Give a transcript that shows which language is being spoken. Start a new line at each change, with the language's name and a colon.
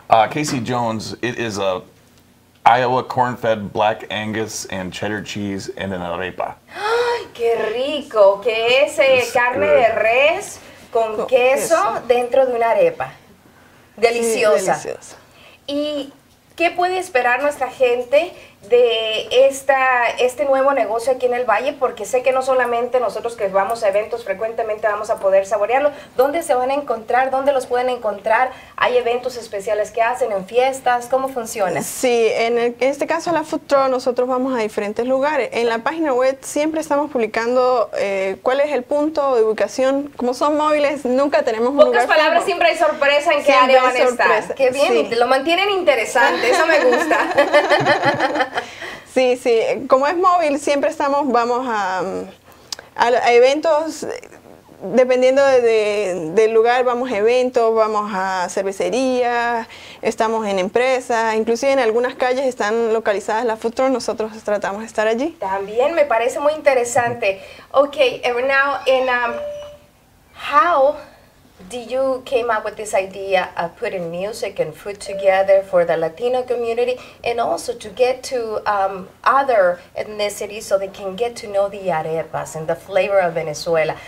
English: Casey Jones, it is a Iowa corn-fed black Angus and cheddar cheese and an arepa.
Spanish: ¡Ay, qué rico! ¿Qué es carne de res con queso dentro de una arepa? Deliciosa. Sí, deliciosa. ¿Y qué puede esperar nuestra gente de este nuevo negocio aquí en el Valle, porque sé que no solamente nosotros que vamos a eventos frecuentemente vamos a poder saborearlo. ¿Dónde se van a encontrar? ¿Dónde los pueden encontrar? ¿Hay eventos especiales que hacen en fiestas? ¿Cómo funciona? Sí, en este caso la Food Truck, nosotros vamos a diferentes lugares. En la página web siempre estamos publicando cuál es el punto de ubicación. Como son móviles, nunca tenemos un lugar. Pocas palabras, fijo. Siempre hay sorpresa en qué siempre área van a estar. Sorpresa. Qué bien, sí. Lo mantienen interesante, eso me gusta. Sí, sí, como es móvil, siempre estamos, vamos a eventos, dependiendo del lugar, vamos a eventos, vamos a cervecerías, estamos en empresas, inclusive en algunas calles están localizadas las food trucks, nosotros tratamos de estar allí. También me parece muy interesante.
English: Ok, now, in, how did you came up with this idea of putting music and food together for the Latino community and also to get to other ethnicities so they can get to know the arepas and the flavor of Venezuela?